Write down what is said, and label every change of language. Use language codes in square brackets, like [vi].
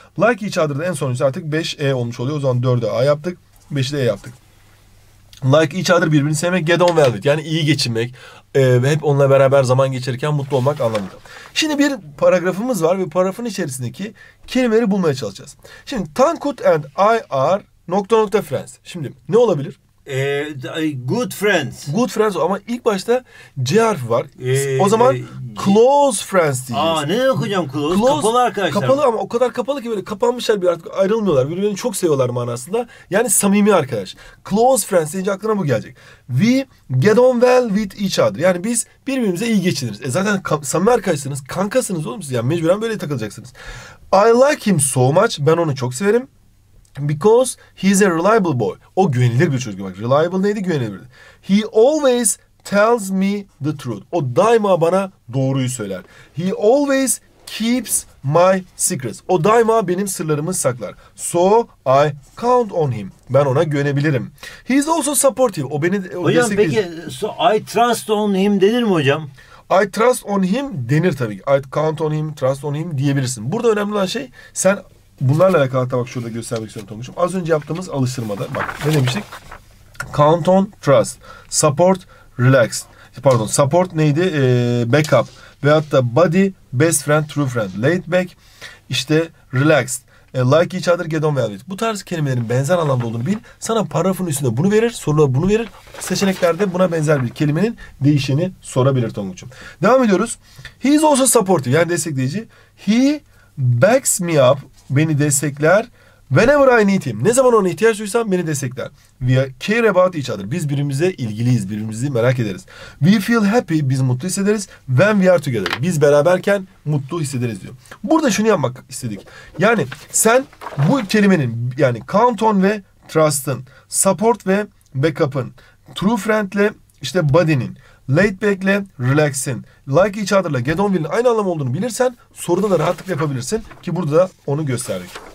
[en] Like each other'da [tr] en sonuncusu artık 5E olmuş oluyor. O zaman 4'ü A yaptık. 5'i de E yaptık. [en] Like each other, [tr] birbirini sevmek. [en] Get on well with. [tr] Yani iyi geçinmek. Hep onunla beraber zaman geçirirken mutlu olmak anlamında. Şimdi bir paragrafımız var ve paragrafın içerisindeki kelimeleri bulmaya çalışacağız. Şimdi [en] Tankut and I are [tr] nokta nokta [en] friends. [tr] Şimdi ne olabilir? [en] Good friends. Good friends [tr] ama ilk başta C harfi var. O zaman close friends diyeceğiz. Aa ne okuyacağım close? Close kapalı arkadaşlar. Kapalı ama o kadar kapalı ki böyle kapanmışlar bir, artık ayrılmıyorlar. Birbirini çok seviyorlar manasında. Yani samimi arkadaş. [en] Close friends [tr] deyince aklına bu gelecek. [en] We get on well with each other. [tr] Yani biz birbirimize iyi geçiniriz. Zaten samimi arkadaşsınız, kankasınız oğlum siz. Yani mecburen böyle takılacaksınız. [en] I like him so much. [tr] Ben onu çok severim. [en] Because he's a reliable boy. [tr] O güvenilir bir çocuk. Bak, reliable neydi? Güvenilir. [en] He always tells me the truth. [tr] O daima bana doğruyu söyler. [en] He always keeps my secrets. [tr] O daima benim sırlarımı saklar. [en] So I count on him. [tr] Ben ona güvenebilirim. [en] He's also supportive. [tr] O beni destekliyor. Hocam peki [en] so I trust on him [tr] denir mi hocam? [en] I trust on him [tr] denir tabii. [en] I count on him, trust on him [tr] diyebilirsin. Burada önemli olan şey sen bunlarla alakalı da bak şurada göstermek istiyorum Tomuş'um. Az önce yaptığımız alıştırmada bak ne demiştik? [en] Count on, trust, support, relax. [tr] Pardon, [en] support [tr] neydi? [en] Backup. [tr] Veyahut da [en] buddy, best friend, true friend. Laid back, [tr] işte [en] relaxed. Like each other, get on velvet. [tr] Bu tarz kelimelerin benzer anlamda olduğunu bil. Sana paragrafın üstünde bunu verir, soruda bunu verir. Seçeneklerde buna benzer bir kelimenin değişeni sorabilir Tonguç'um. Devam ediyoruz. [en] He is also supportive, [tr] yani destekleyici. [en] He backs me up, [tr] beni destekler. [en] Whenever I need him, [tr] ne zaman ona ihtiyaç duysam beni destekler. [en] We care about each other, [tr] biz birbirimize ilgiliyiz, birbirimizi merak ederiz. [en] We feel happy, [tr] biz mutlu hissederiz. [en] When we are together, [tr] biz beraberken mutlu hissederiz diyor. Burada şunu yapmak istedik. Yani sen bu kelimenin, yani count on ve trust'ın, support ve backup'ın, true friend'le işte buddy'nin, laid back'le relax'in, like each other'la get on with'in aynı anlam olduğunu bilirsen soruda da rahatlıkla yapabilirsin ki burada da onu gösterdik.